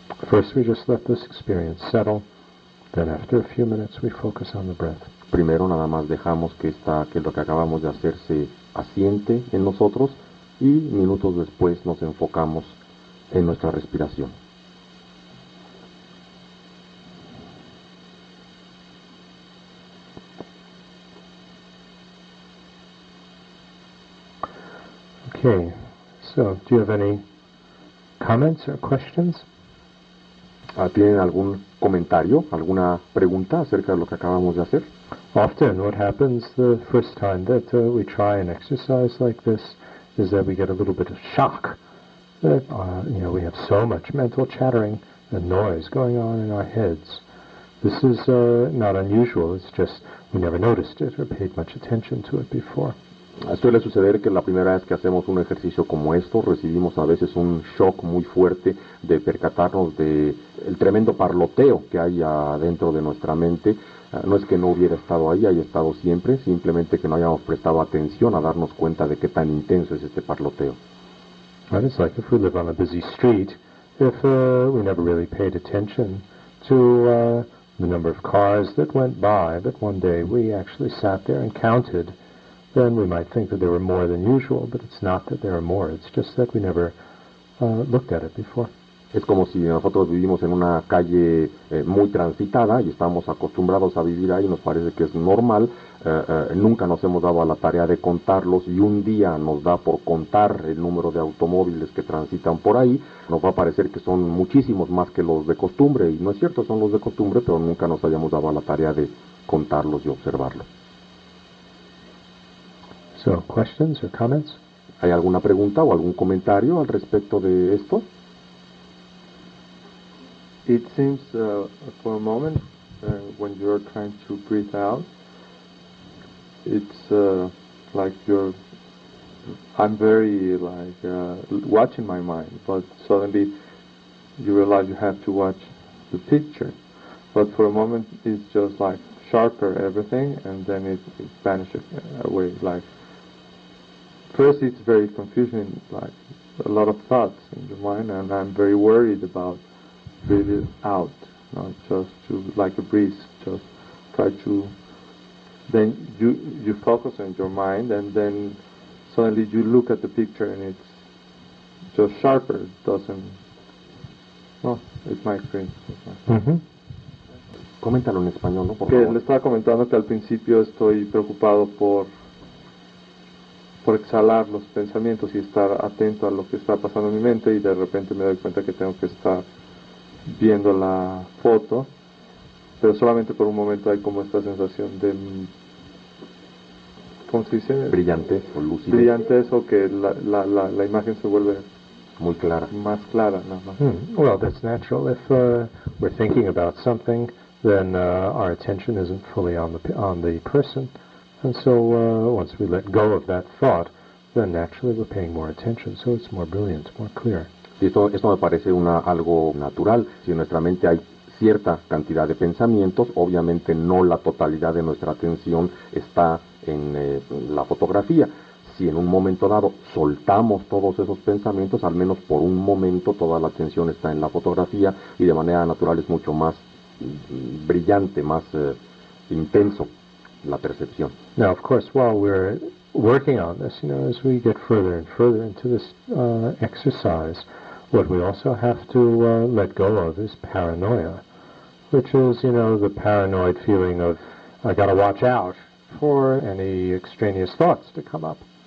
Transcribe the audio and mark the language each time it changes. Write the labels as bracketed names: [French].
[English] First we just let this experience settle, then after a few minutes we focus on the breath. [Spanish] Primero nada más dejamos que lo que acabamos de hacer se asiente en nosotros y minutos después nos enfocamos en nuestra respiración. [English] Okay, so do you have any comments or questions? [Spanish] ¿Tienen algún comentario, alguna pregunta acerca de lo que acabamos de hacer? [English] Often what happens the first time that we try an exercise like this is that we get a little bit of shock. That, you know, we have so much mental chattering and noise going on in our heads. This is not unusual, it's just we never noticed it or paid much attention to it before. [Spanish] Suele suceder que la primera vez que hacemos un ejercicio como esto recibimos a veces un shock muy fuerte de percatarnos de el tremendo parloteo que hay dentro de nuestra mente. No es que no hubiera estado ahí, haya estado siempre, simplemente que no hayamos prestado atención a darnos cuenta de qué tan intenso es este parloteo. [English] And it's like if we live on a busy street, if we never really paid attention to the number of cars that went by, but one day we actually sat there and counted, then we might think that there were more than usual, but it's not that there are more, it's just that we never looked at it before. [Spanish] Es como si nosotros vivimos en una calle muy transitada y estamos acostumbrados a vivir ahí, nos parece que es normal, nunca nos hemos dado a la tarea de contarlos y un día nos da por contar el número de automóviles que transitan por ahí, nos va a parecer que son muchísimos más que los de costumbre, y no es cierto, son los de costumbre, pero nunca nos hayamos dado a la tarea de contarlos y observarlos. [English] So, questions or comments? [Spanish] ¿Hay alguna pregunta o algún comentario al respecto de esto? [English] It seems for a moment when you're trying to breathe out, it's like I'm watching my mind, but suddenly you realize you have to watch the picture. But for a moment it's just like sharper everything, and then it vanishes away. Like first it's very confusing, like a lot of thoughts in your mind, and I'm very worried about breathe it out, not just to like a breeze, just try to, then you focus on your mind and then suddenly you look at the picture and it's just sharper, it's my experience. [Spanish] Coméntalo en español, ¿no? Que le estaba comentando que al principio estoy preocupado por por exhalar los pensamientos y estar atento a lo que está pasando en mi mente, y de repente me doy cuenta que tengo que estar viendo la foto, pero solamente por un momento hay como esta sensación de, ¿cómo se dice? Brillantez o lucidez. Brillantez, o que la imagen se vuelve muy clara. Más clara, nada más. [English] Well, that's natural. If we're thinking about something, then our attention isn't fully on the person. And so once we let go of that thought, then naturally we're paying more attention. So it's more brilliant, more clear. [Spanish] Sí, esto me parece algo natural. Si en nuestra mente hay cierta cantidad de pensamientos, obviamente no la totalidad de nuestra atención está en la fotografía. Si en un momento dado soltamos todos esos pensamientos, al menos por un momento toda la atención está en la fotografía, y de manera natural es mucho más brillante, más intenso la percepción. [English] Now, of course, while we're working on this, you know, as we get further and further into this exercise, what we also have to let go of is paranoia, which is, you know, the paranoid feeling of I gotta watch out for any extraneous thoughts to come up.